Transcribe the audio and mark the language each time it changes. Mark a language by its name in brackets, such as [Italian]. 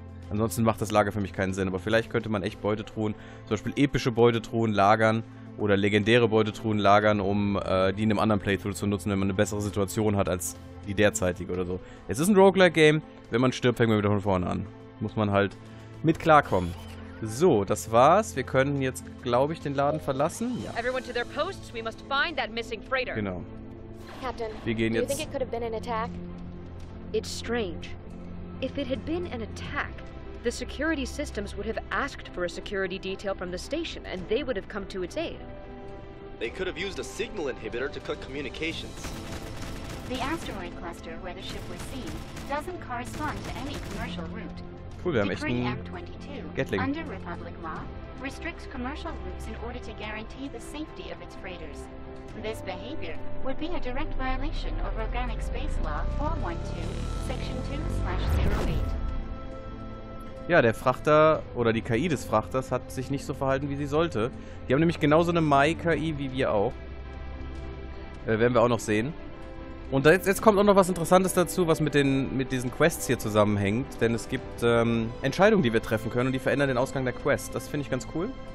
[German] Ansonsten macht das Lager für mich keinen Sinn. Aber vielleicht könnte man echt Beutetruhen, zum Beispiel epische Beutetruhen lagern oder legendäre Beutetruhen lagern, um die in einem anderen Playthrough zu nutzen, wenn man eine bessere Situation hat als die derzeitige oder so. Es ist ein Roguelike-Game. Wenn man stirbt, fängt man wieder von vorne an. Muss man halt mit klarkommen. So, das war's. Wir können jetzt, glaube ich, den Laden verlassen. Ja. [English] Everyone to their posts. We must find that missing freighter. [German] Genau. [English] Captain, [German] wir gehen jetzt. [English] Do you think it could have been an attack? It's strange. If it had been an attack, the security systems would have asked for a security detail from the station and they would have come to its aid. They could have used a signal inhibitor to cut communications. The asteroid cluster where the ship was seen doesn't correspond to any commercial route. [German] Cool, wir haben echt einen Gatling. [English] Under Republic law, restricts commercial routes in order to guarantee the safety of its freighters. This behavior would be a direct violation of Organic Space Law 412, Section 2/08. [German] Ja, der Frachter oder die KI des Frachters hat sich nicht so verhalten, wie sie sollte. Die haben nämlich genauso eine Mai-KI wie wir auch. Werden wir auch noch sehen. Und da jetzt kommt auch noch was Interessantes dazu, was mit diesen Quests hier zusammenhängt. Denn es gibt Entscheidungen, die wir treffen können und die verändern den Ausgang der Quest. Das finde ich ganz cool.